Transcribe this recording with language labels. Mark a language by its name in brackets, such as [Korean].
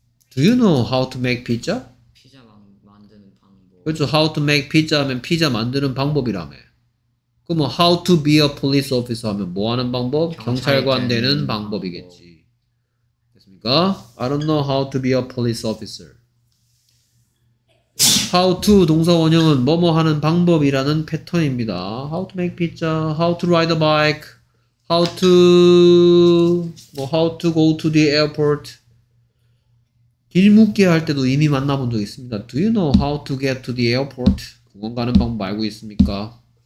[English] Do you know how to make pizza? [Korean] 피자 만드는 방법. 그렇죠. [English] How to make pizza [Korean] 하면 피자 만드는 방법이라며. 그러면 [English] How to be a police officer [Korean] 하면 뭐 하는 방법? 경찰관 되는 방법이겠지. 됐습니까? [English] I don't know how to be a police officer. [Korean] How to 동사 원형은 뭐뭐 하는 방법이라는 패턴입니다. [English] How to make pizza, How to ride a bike. How to go to the airport? [Korean] 길묻기 할 때도 이미 만나본 적 있습니다. [English] Do you know how to get to the airport? [Korean] 공항 가는 방법 알고 있습니까?